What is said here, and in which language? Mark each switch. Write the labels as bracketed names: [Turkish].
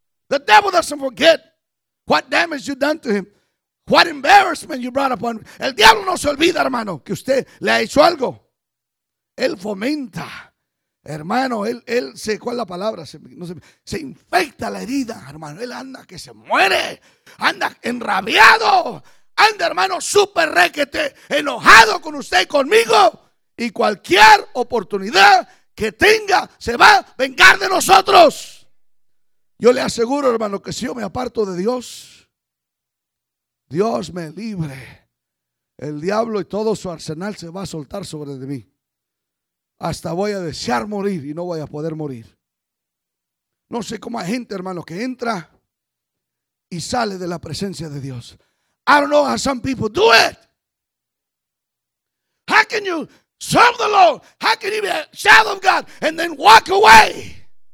[English] The devil doesn't forget what damage you've done to him. What embarrassment you brought upon. [Spanish] El diablo no se olvida, hermano, que usted le ha hecho algo. Él fomenta. Hermano, él sé cuál es la palabra. Se infecta la herida, hermano. Él anda que se muere. Anda enrabiado. Anda, hermano, súper requete, enojado con usted y conmigo. Y cualquier oportunidad que tenga, se va a vengar de nosotros. Yo le aseguro, hermano, que si yo me aparto de Dios, Dios me libre El diablo y todo su arsenal se va a soltar sobre de mí. Hasta voy a desear morir y no voy a poder morir. No sé cómo hay gente, hermano, que entra y sale de la presencia de Dios. [English] I don't know how some people do it. How can you serve the Lord? How can you be a child of God and then walk away?